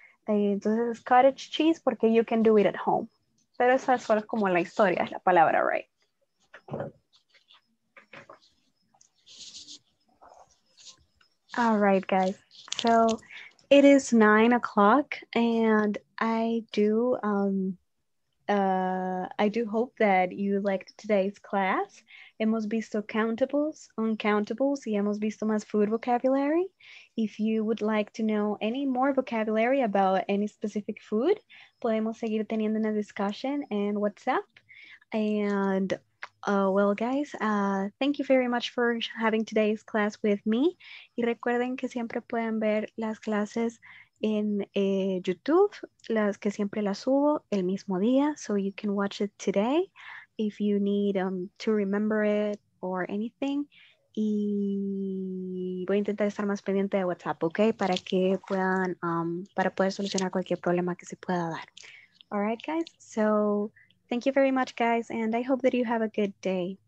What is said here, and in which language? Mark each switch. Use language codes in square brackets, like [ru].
[es] Entonces, [en] cottage cheese [es] porque [en] you can do it at home. [es] Pero esa es solo como la historia, es la palabra, [en] right? All right, guys. So, it is 9 o'clock and I do hope that you liked today's class. [es] Hemos visto countables, uncountables, y hemos visto más food vocabulary. [en] If you would like to know any more vocabulary about any specific food, [es] podemos seguir teniendo una discussion en WhatsApp. [en] And well, guys, thank you very much for having today's class with me. [es] Y recuerden que siempre pueden ver las clases en YouTube, las que siempre las subo el mismo día, [en] so you can watch it today if you need to remember it or anything. [es] Y voy a intentar estar más pendiente de WhatsApp, okay, para que puedan para poder solucionar cualquier problema que se pueda dar. [en] All right, guys, so thank you very much, guys, and I hope that you have a good day.